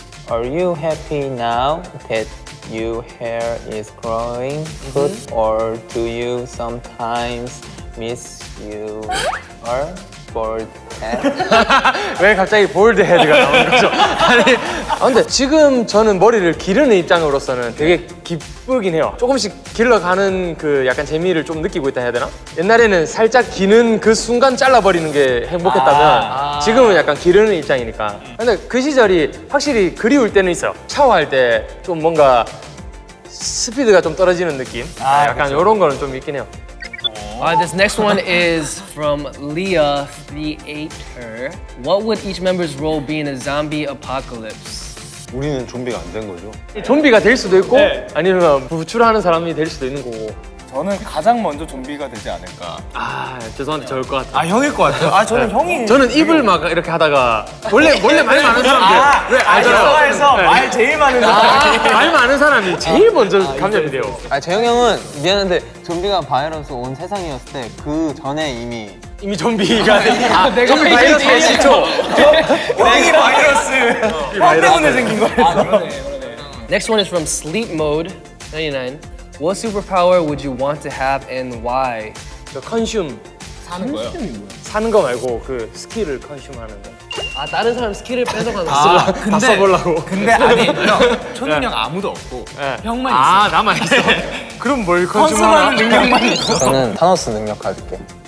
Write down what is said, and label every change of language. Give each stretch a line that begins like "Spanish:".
English: Are you happy now that your hair is growing good or do you sometimes miss you or bald head?
Korean: 왜 갑자기 bald head가 나오는 거죠? 아니, 근데 지금 저는 머리를 기르는 입장으로서는 되게 기쁘긴 해요. 조금씩 길러가는 그 약간 재미를 좀 느끼고 있다 해야 되나? 옛날에는 살짝 기는 그 순간 잘라버리는 게 행복했다면 지금은 약간 기르는 입장이니까. 근데 그 시절이 확실히 그리울 때는 있어요. 샤워할 때 좀 뭔가 스피드가 좀 떨어지는 느낌? 아, 약간 그쵸. 이런 거는 좀 있긴 해요.
English: This next one is from Leah Theater. What would each member's role be in a zombie apocalypse?
Korean: 우리는 좀비가 안 된 거죠. 좀비가 될 수도 있고 네. 아니면 부출하는 사람이 될 수도 있는 거고. 저는 가장 먼저 좀비가 되지 않을까. 아, 죄송한데 저일 것 같아요. 아, 형일 것 같아요? 아, 저는 네. 형이... 저는 입을 막 이렇게 하다가 원래 말 많은 사람들. 아, 영화에서 네, 말 제일 많은 사람. 말 많은 사람이 제일 먼저 감염이 돼요. 아, 재영 형은 미안한데 좀비가 바이러스 온 세상이었을 때 그 전에 이미 이미 좀비가 내가 좀비 바이러스 시초. 형이 바이러스. 형 때문에 생긴 거였어.
English: Next one is from Sleep Mode 99. What superpower would you want to have and why?
Korean: 저 컨슘. 사는 거요? 사는 거 말고 그 스킬을 컨슘하는 거. 아, 다른 사람 스킬을 뺏어가는 거. 아, 근데, 다 써보려고. 근데 아니, 형. 초능력 형 아무도 없고 네. 형만 있어. 아, 나만 있어. 그럼 뭘 컨슘하나? 컨슘하는 능력만 있어. 저는 타노스 능력 가질게.